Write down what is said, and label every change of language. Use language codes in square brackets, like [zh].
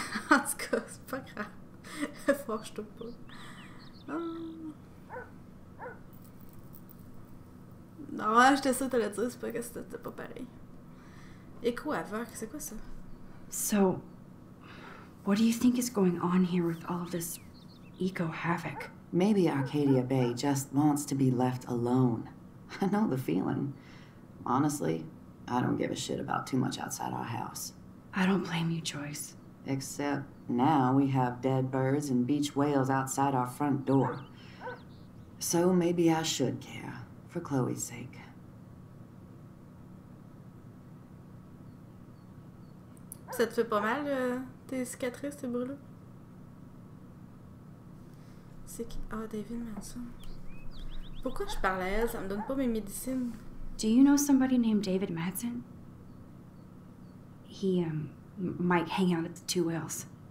[fr] En tout cas, c'est pas grave. Fâche-toi pas. Non, ouais, j'étais sûre que t'allais dire, c'est pas que c'était pas pareil. Écho aveugle, c'est quoi ça? [en] So, what do you think is going on here with all of this eco havoc? Maybe Arcadia Bay just wants to be left alone. I know the feeling. Honestly, I don't give a shit about too much outside our house. I don't blame you, Joyce. Except now we have dead birds and beach whales outside our front door. So maybe I should care, for Chloe's sake. [fr] Ça te fait pas mal, tes cicatrices, tes brûlures? C'est qui? Ah, David Manson. Pourquoi je parle à elle? Ça me donne pas mes médecines. [en] Do you know somebody named David Madsen? He, might hang out at the Two Whales.